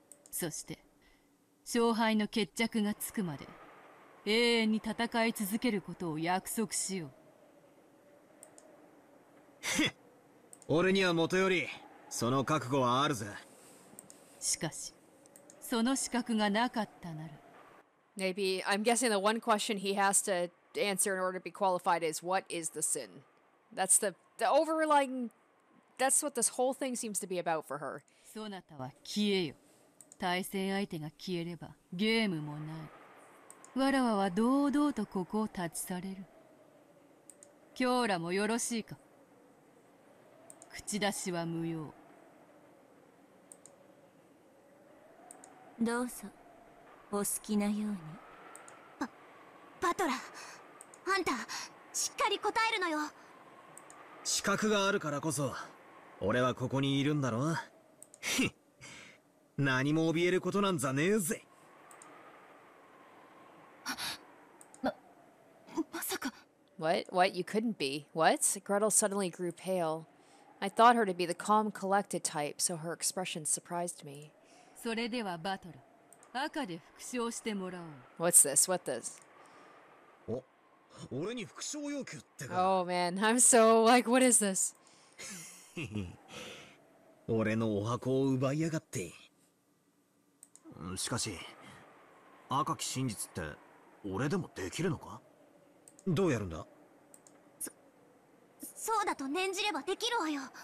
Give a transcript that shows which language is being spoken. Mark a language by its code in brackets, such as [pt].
[ja] そして勝敗の決着がつくまで永遠に戦い続けることを約束しよう。ふっ、俺にはもとよりその覚悟はあるぜ。しかし、その資格がなかったなら。 [en] Maybe I'm guessing the one question he has to answer in order to be qualified is what is the sin? That's the overlying. That's what this whole thing seems to be about for her. [ja] そなたは消えよ。対戦相手が消えればゲームもない。わらわは堂々とここを立ち去れる。今日らもよろしいか。口出しは無用。どうぞお好きなように。バトラ、あんたしっかり答えるのよ。資格があるからこそ俺はここにいるんだろ。ふっ、何も怯えることなんざねえぜ。まさか。 [en] What? You couldn't be. What? Gretel suddenly grew pale. I thought her to be the calm, collected type, so her expression surprised me. [ja] それではバトル、赤で復唱してもらおう。 [en] What's this? [ja] お、俺に復唱要求ってか。 [en] Oh man, I'm so like, what is this? [ja] 俺のお箱を奪いやがって。しかし、赤き真実って俺でもできるのか？どうやるんだ？そうだと念じればできるわよ。